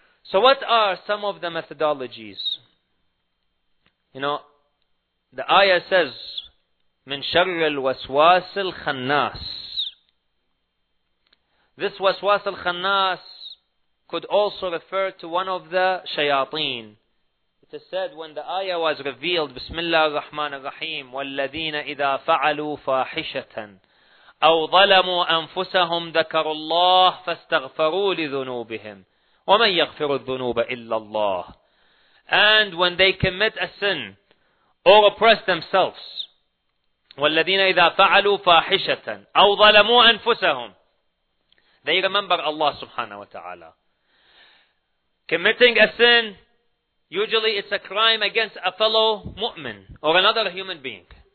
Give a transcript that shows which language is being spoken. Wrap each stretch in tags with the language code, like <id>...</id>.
<en>So what are some of the methodologies? You know, the ayah says,</en> <ar>مِن شَرِّ الْوَسْوَاسِ الْخَنَّاسِ.</ar> <en>This waswas al-khannas could also refer to one of the shayateen. said when the ayah was revealed, Bismillah ar-Rahman ar-Rahim,</en> <ar>وَالَّذِينَ إِذَا فَعَلُوا فَاحِشَةً أَوْ ظَلَمُوا أَنفُسَهُمْ ذَكَرُوا اللَّهِ فَاسْتَغْفَرُوا لِذُنُوبِهِمْ وَمَنْ يَغْفِرُ الذُّنُوبَ إِلَّا اللَّهِ.</ar> <en>And when they commit a sin or oppress themselves,</en> <ar>وَالَّذِينَ إِذَا فَعَلُوا فَاحِشَةً أَوْ ظَلَمُوا أَنفُسَهُمْ,</ar> <en>they remember Allah subhanahu wa ta'ala. Committing a sin, usually it's a crime against a fellow mu'min or another human being.</en>